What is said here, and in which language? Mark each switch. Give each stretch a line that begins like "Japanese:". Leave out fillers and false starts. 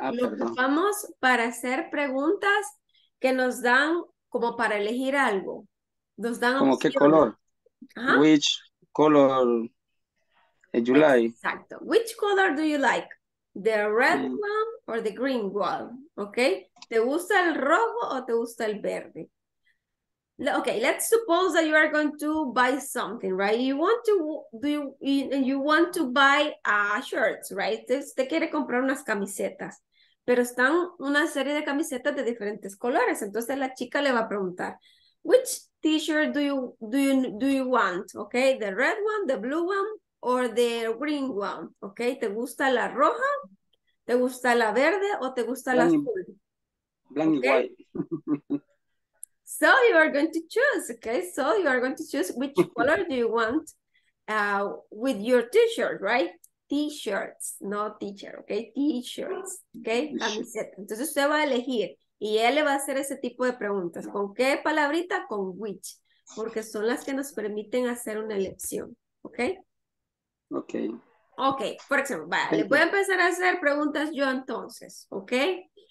Spanish: Lo ocupamos para hacer preguntas que nos dan como para elegir algo. Nos dan ¿como qué color? ¿Ah?
English: Which color you like? Exacto. Which color do you like? The red one or the green one? Okay.
Spanish: ¿Te gusta el rojo o te gusta el verde?
English: Okay, let's suppose that you are going to buy something, right? You want to buy shirts, right?
Spanish: Usted quiere comprar unas camisetas, pero están una serie de camisetas de diferentes colores. Entonces la chica le va a preguntar,
English: which t-shirt do you want? Okay, the red one, the blue one, or the green one?
Spanish: Okay, ¿te gusta la roja? ¿Te gusta la verde o te gusta la azul? Blanco y white.
English: So you are going to choose, okay? So you are going to choose which color do you want with your t-shirt, right? T-shirts, no teacher, okay? T-shirts, okay? Camiseta.
Spanish: Entonces usted va a elegir y él le va a hacer ese tipo de preguntas. ¿Con qué palabrita? Con which. Porque son las que nos permiten hacer una elección, okay? Okay. Okay, por ejemplo, vale, voy a empezar a hacer preguntas yo entonces, okay?